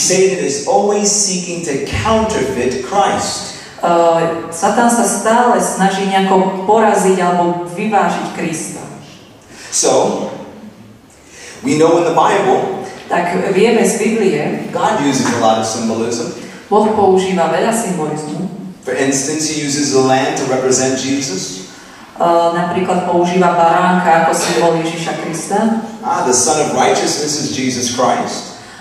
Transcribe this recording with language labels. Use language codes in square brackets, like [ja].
[en] Satan is always seeking to counterfeit Christ. [sk] Satan sa stále snaží nejako poraziť alebo vyvážiť Krista. [en] So, we know in the Bible, [sk] tak vieme z Biblie, [en] God uses a lot of symbolism. [sk] Boh používa veľa symbolizmu. [en] For instance, he uses the lamb to represent Jesus. [sk] Napríklad používa baránka ako symbol Ježiša Krista. [en] Ah, the son of righteousness is Jesus Christ.